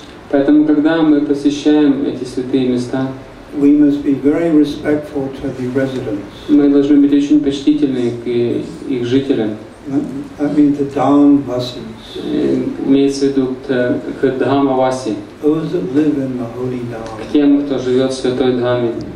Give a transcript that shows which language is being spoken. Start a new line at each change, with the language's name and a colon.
Russian: поэтому, когда мы посещаем эти святые места,
English: we must be very respectful to the residents.
Russian: Мы должны быть очень почтительны к их жителям.
English: That means the dhamvasis.
Russian: Имеется в виду к дхамаваси.
English: Those that live in the holy dham.
Russian: К тем, кто живет в святой дхаме.